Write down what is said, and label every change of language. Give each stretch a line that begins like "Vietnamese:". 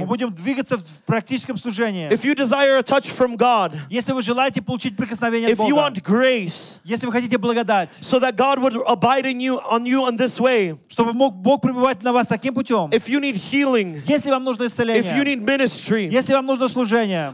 Russian: Мы будем двигаться в практическом служении.
English: If you desire a touch from God,
Russian: если вы желаете получить прикосновение от Бога,
English: if you want grace,
Russian: если вы хотите благодать,
English: so that God would abide in you on you in this way,
Russian: чтобы мог Бог пребывать на вас таким путем,
English: if you need healing,
Russian: если вам нужно исцеление,
English: if you need ministry,
Russian: если вам нужно служение,